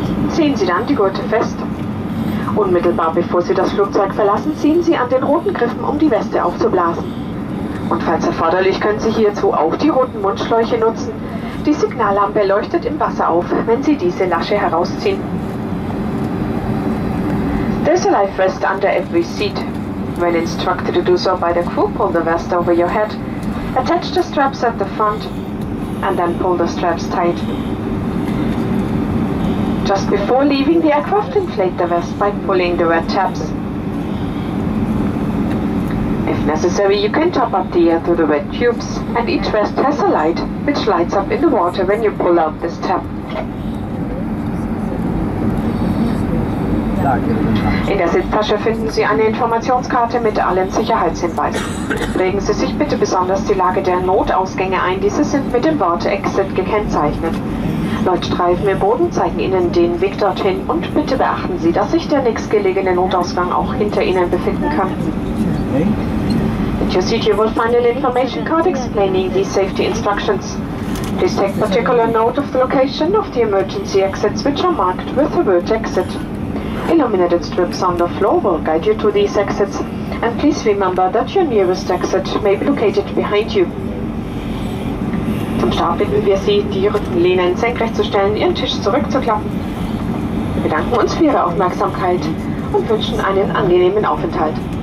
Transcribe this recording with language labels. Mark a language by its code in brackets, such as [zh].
[de] Ziehen Sie dann die Gurte fest. Unmittelbar bevor Sie das Flugzeug verlassen, ziehen Sie an den roten Griffen, um die Weste aufzublasen. Und falls erforderlich, können Sie hierzu auch die roten Mundschläuche nutzen. Die Signallampe leuchtet im Wasser auf, wenn Sie diese Lasche herausziehen. [en] There's a life vest under every seat. When instructed to do so by the crew, pull the vest over your head. Attach the straps at the front and then pull the straps tight. Just before leaving the aircraft, inflate the vest by pulling the red tabs. If necessary, you can top up the air through the red tubes, and each vest has a light which lights up in the water when you pull out this tab. [de] In der Sitztasche finden Sie eine Informationskarte mit allen Sicherheitshinweisen. Prägen Sie sich bitte besonders die Lage der Notausgänge ein. Diese sind mit dem Wort Exit gekennzeichnet. Leuchtstreifen im Boden zeigen Ihnen den Weg dorthin und bitte beachten Sie, dass sich der nächstgelegene Notausgang auch hinter Ihnen befinden kann. [en] In your seat you will find an information card explaining the safety instructions. Please take particular note of the location of the emergency exits which are marked with the word Exit. Illuminated strips on the floor will guide you to these exits, and please remember that your nearest exit may be located behind you. [de] Zum Start bitten wir Sie, die Rückenlehnen senkrecht zu stellen, Ihren Tisch zurückzuklappen. Wir bedanken uns für Ihre Aufmerksamkeit und wünschen einen angenehmen Aufenthalt.